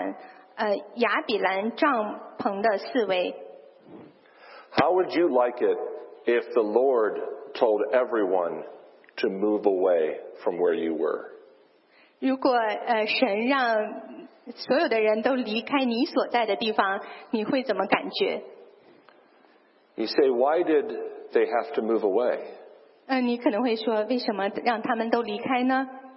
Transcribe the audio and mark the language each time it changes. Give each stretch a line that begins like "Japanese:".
Chinese: 神让他们你们离开可拉大坦亚比兰帐篷的四围
English: How would you like it if the Lord told everyone to move away from where you were?
Chinese: 如果神让所有的人都离开你所在的地方,你会怎么感觉?
English: You say, why did they have to move away?
Chinese: 你可能会说,为什么让他们都离开呢?